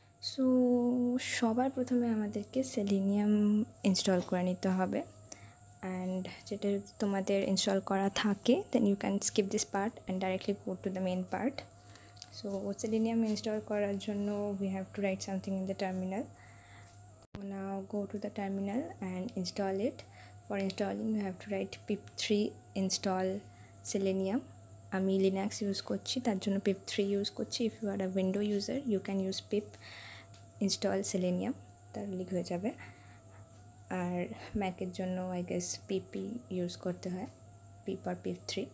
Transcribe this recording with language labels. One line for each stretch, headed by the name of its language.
Bangla: So সবার প্রথমে আমাদেরকে সেলিনিয়াম ইনস্টল করে নিতে হবে, অ্যান্ড যেটা তোমাদের ইনস্টল করা থাকে
English: Then you can skip this part and directly go to the main part.
Bangla: So selenium install করার জন্য
English: We have to write something in the terminal. Now go to the terminal and install it. For installing you have to write pip3 install selenium.
Bangla: আমি Linux use করছি তার জন্য pip3 use করছি।
English: if you are a window user you can use pip install selenium,
Bangla: তার লিখ হয়ে যাবে। আর ম্যাকের জন্য
English: I guess
Bangla: pip ইউজ করতে হয়, pip আর pip3।